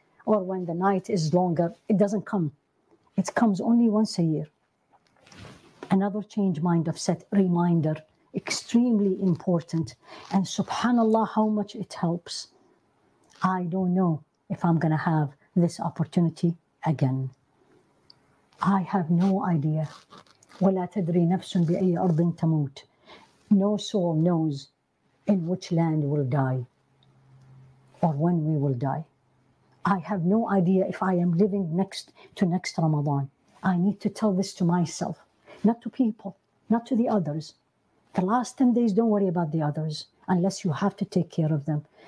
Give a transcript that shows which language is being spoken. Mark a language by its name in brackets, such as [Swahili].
[English] or when the night is longer. It doesn't come. It comes only once a year. Another change mind of set reminder, extremely important. And subhanAllah, how much it helps. I don't know if I'm going to have this opportunity again. I have no idea. [Arabic] ولا تدري نفس بأي أرض تموت. [English] No soul knows in which land will die or when we will die. I have no idea if I am living next to next Ramadan. I need to tell this to myself, not to people, not to the others. The last 10 days, don't worry about the others unless you have to take care of them.